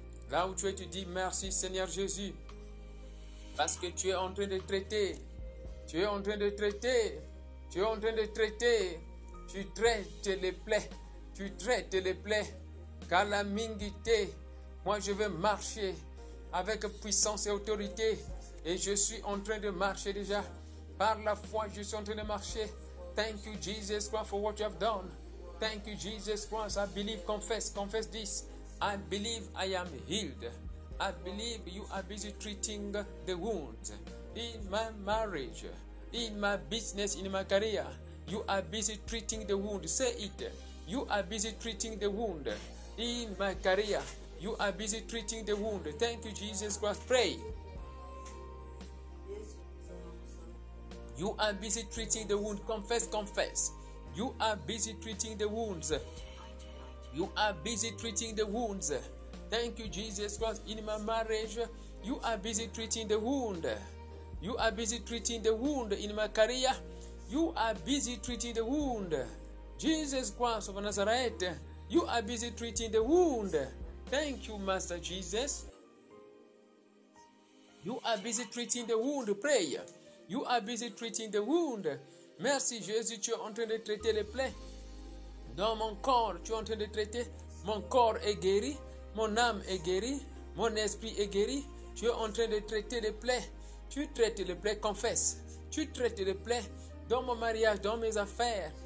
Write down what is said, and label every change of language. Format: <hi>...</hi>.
<fr>Là où tu es, tu dis merci Seigneur Jésus, parce que tu es en train de traiter, tu es en train de traiter, tu es en train de traiter, tu traites les plaies, tu traites les plaies. Car la minguité, moi je veux marcher avec puissance et autorité, et je suis en train de marcher déjà, par la foi je suis en train de marcher.</fr> <en>Thank you Jesus Christ for what you have done. Thank you, Jesus Christ. I believe, confess this. I believe I am healed. I believe you are busy treating the wounds in my marriage, in my business, in my career. You are busy treating the wound. Say it. You are busy treating the wound in my career. You are busy treating the wound. Thank you, Jesus Christ. Pray. You are busy treating the wound. Confess. You are busy treating the wounds. You are busy treating the wounds. Thank you, Jesus Christ. In my marriage, you are busy treating the wound. You are busy treating the wound. In my career, you are busy treating the wound. Jesus Christ of Nazareth, you are busy treating the wound. Thank you, Master Jesus. You are busy treating the wound. Pray. You are busy treating the wound.</en> <fr>Merci Jésus, tu es en train de traiter les plaies. Dans mon corps, tu es en train de traiter. Mon corps est guéri, mon âme est guérie, mon esprit est guéri. Tu es en train de traiter les plaies. Tu traites les plaies, confesse. Tu traites les plaies dans mon mariage, dans mes affaires.</fr>